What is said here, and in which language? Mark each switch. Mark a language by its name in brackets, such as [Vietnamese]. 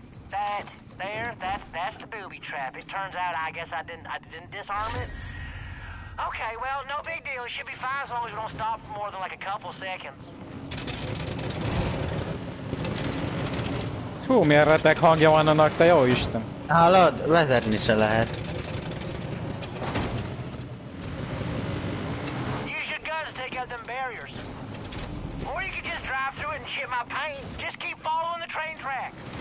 [English] That's the booby trap. It turns out I guess I didn't disarm it. Okay, well, no big deal. It should be fine as long as we don't stop for more than like a couple seconds. [Hungarian] Hú, milyen retek hangja van annak, te jó Isten. Hallod, vezetni se lehet. [English] Use your guns to take out them barriers. Or you could just drive through it and shit my paint. Just keep following the train track.